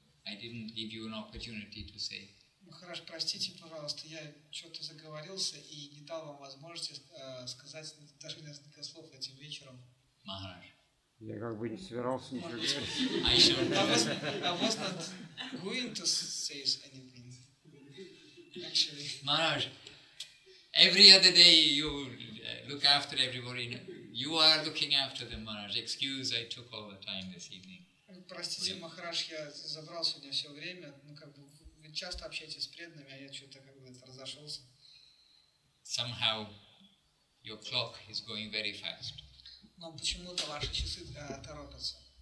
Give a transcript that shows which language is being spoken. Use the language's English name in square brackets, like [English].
[English] I didn't give you an opportunity to say. [Russian] Махараш, простите, пожалуйста, я что-то заговорился и не дал вам возможности сказать даже несколько слов этим вечером. Махараш. Я как бы не собирался ничего говорить. [English] I was not going to say anything. Actually. Махараш, every other day you look after everybody. You are looking after them, Махараш. Excuse, I took all the time this evening. [Russian] Простите, Махараш, я забрал сегодня все время. Ну, как бы, вы часто общаетесь с преданными, а я что-то как бы разошелся. [English] Somehow your clock is going very fast. [Russian] Но почему-то ваши часы торопятся.